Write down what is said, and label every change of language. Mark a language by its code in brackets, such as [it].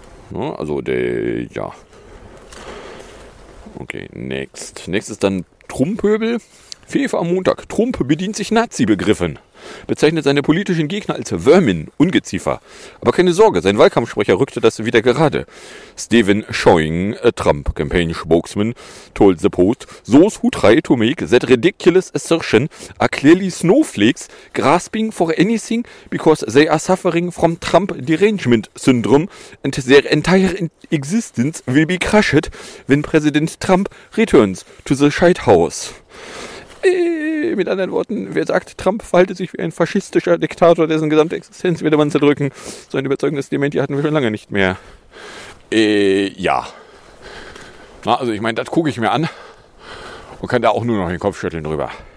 [de] Also, ja. Okay, next. Next ist dann Trump-Pöbel. Fefe am Montag. Trump bedient sich Nazi-Begriffen. Bezeichnet seine politischen Gegner als Vermin, Ungeziefer. Aber keine Sorge, sein Wahlkampfsprecher rückte das wieder gerade. [en] Stephen Schoing, a Trump-Campaign-Spokesman, told the Post, those who try to make that ridiculous assertion are clearly snowflakes grasping for anything because they are suffering from Trump-Derangement-Syndrome and their entire existence will be crushed when President Trump returns to the White House. [de] Mit anderen Worten, wer sagt, Trump verhalte sich wie ein faschistischer Diktator, dessen gesamte Existenz würde man zerdrücken. So ein überzeugendes Dementi hatten wir schon lange nicht mehr. Ja. Na, also ich meine, das gucke ich mir an und kann da auch nur noch den Kopf schütteln drüber.